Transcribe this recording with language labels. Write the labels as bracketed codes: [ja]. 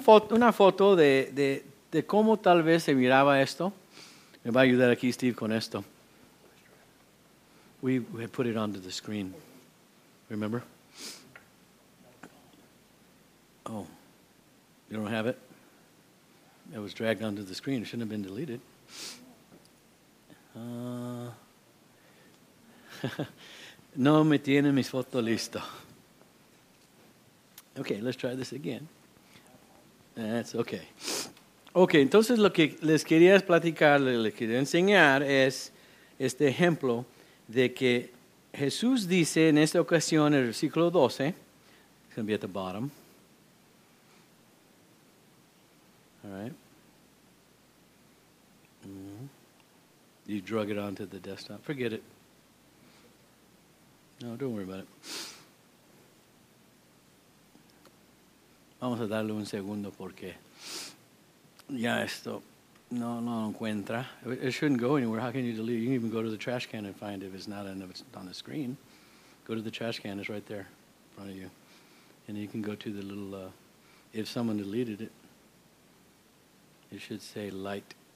[es] Una foto de cómo tal vez se miraba esto. Me va a ayudar aquí Steve con esto. [en] We put it onto the screen. Remember? Oh, you don't have it? It was dragged onto the screen. It shouldn't have been deleted. [es] No me tiene mis fotos listo. [en] Okay, let's try this again. That's okay. [es] Okay, entonces lo que les quería platicar, les quería enseñar es este ejemplo de que Jesús dice en esta ocasión, en el versículo 12, [en] it's going to be at the bottom. All right. You drug it onto the desktop. Forget it. No, don't worry about it. [es] Vamos a darle un segundo porque ya esto no encuentra. [en] It shouldn't go anywhere. How can you delete it? You can even go to the trash can and find it if it's not on, if it's on the screen. Go to the trash can. It's right there in front of you. And you can go to the little, if someone deleted it, it should say light.